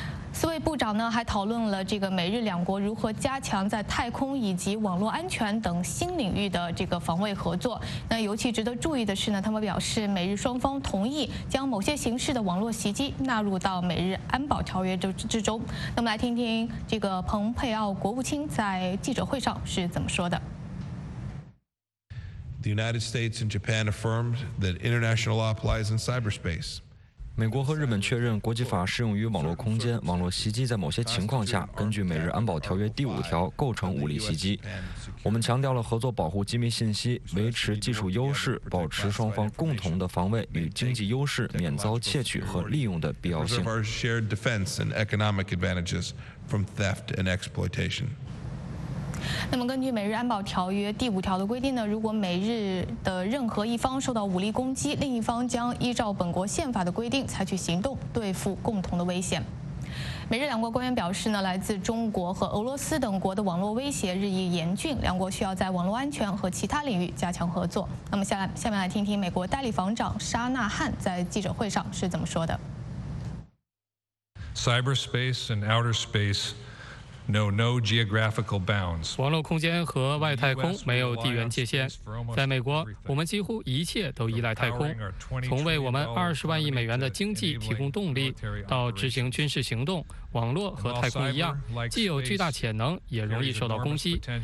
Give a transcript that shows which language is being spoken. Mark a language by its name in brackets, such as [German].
[Chinese] 四位部长呢还讨论了这个美日两国如何加强在太空以及网络安全等新领域的这个防卫合作。那尤其值得注意的是呢，他们表示美日双方同意将某些形式的网络袭击纳入到美日安保条约之中。那么来听听这个蓬佩奥国务卿在记者会上是怎么说的。 [English] The United States and Japan affirmed that international law applies in cyberspace. [Chinese] 美国和日本确认国际法适用于网络空间，网络袭击在某些情况下根据美日安保条约第五条构成武力袭击。我们强调了合作保护机密信息，维持技术优势，保持双方共同的防卫与经济优势免遭窃取和利用的必要性。 [English] Preserve our shared defense and economic advantages from theft and exploitation. [Chinese] 那么根据美日安保条约第五条的规定呢，如果美日的任何一方受到武力攻击，另一方将依照本国宪法的规定采取行动对付共同的危险。美日两国官员表示呢，来自中国和俄罗斯等国的网络威胁日益严峻，两国需要在网络安全和其他领域加强合作。那么下面来听听美国代理防长沙纳汉在记者会上是怎么说的。 [English] Cyberspace and outer spaceNo geographical bounds. [Chinese] 网络空间和外太空没有地缘界限。在美国，我们几乎一切都依赖太空，从为我们20万亿美元的经济提供动力，到执行军事行动。网络和太空一样，既有巨大潜能，也容易受到攻击。